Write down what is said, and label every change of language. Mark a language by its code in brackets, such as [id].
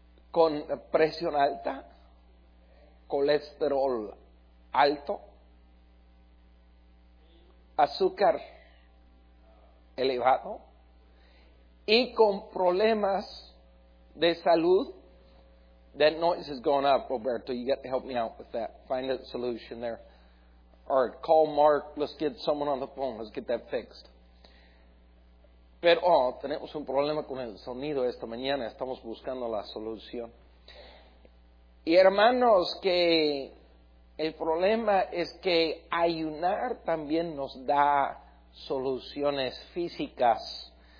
[es] ¿Con presión alta? ¿Colesterol alto? ¿Azúcar elevado? ¿Y con problemas de salud? [en] That noise has gone up, Roberto. You got to help me out with that. Find a solution there. All right, call Mark. Let's get someone on the phone. Let's get that fixed. [es] Pero tenemos un problema con el sonido esta mañana. Estamos buscando la solución. Y hermanos, que el problema es que ayunar también nos da soluciones físicas.